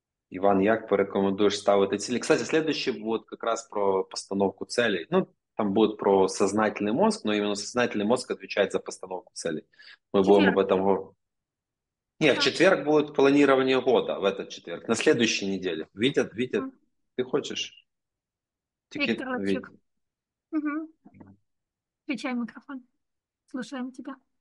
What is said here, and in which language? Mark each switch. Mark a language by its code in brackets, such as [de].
[uk] Іван, як порекомендуєш ставити цілі? [ru] Кстати, следующий буде как раз про постановку целей. Ну, там буде про сознательний мозг, но именно сознательний мозг [uk] відповідає [ru] за постановку целей. [uk] Ми будемо [ru] Четверг. об этом [uk] говорити. Ні, в четверг буде планування года, [ru] в этот четверг, на следующей неделе. Витя, [uk] Витя, ти хочеш? Тільки [ru] Виктор Лапчук. Витя. Включай микрофон. Слушаем тебя.